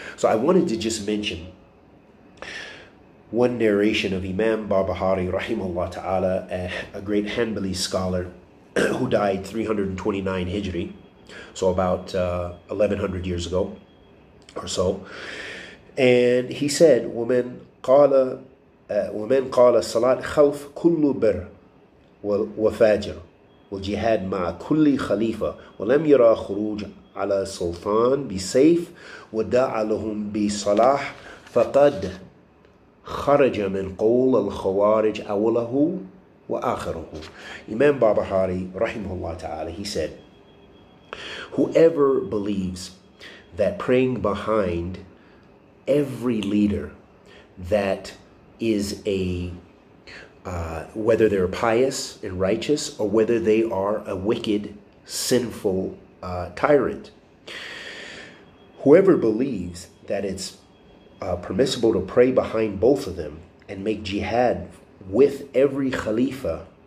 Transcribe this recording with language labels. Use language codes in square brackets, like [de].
[en] So I wanted to just mention one narration of Imam Barbahari rahimahullah ta'ala, a great Hanbali scholar who died 329 Hijri, so about 1100 years ago or so. And he said, [ar] وَمَنْ قَالَ الصَّلَاةِ خَلْفْ كُلُّ بِرْ وَفَاجِرْ وَالْجِهَادْ مَعَ كُلِّ خَلِيفَ وَلَمْ يَرَى خُرُوجَ على السلطان بسيف ودعا لهم بصلاح فقد خرج من قول الخوارج أوله وآخره. [en] Imam Barbahari rahimahullah ta'ala, he said, whoever believes that praying behind every leader that is a whether they're pious and righteous or whether they are a wicked, sinful tyrant, whoever believes that it's permissible to pray behind both of them and make jihad with every khalifa,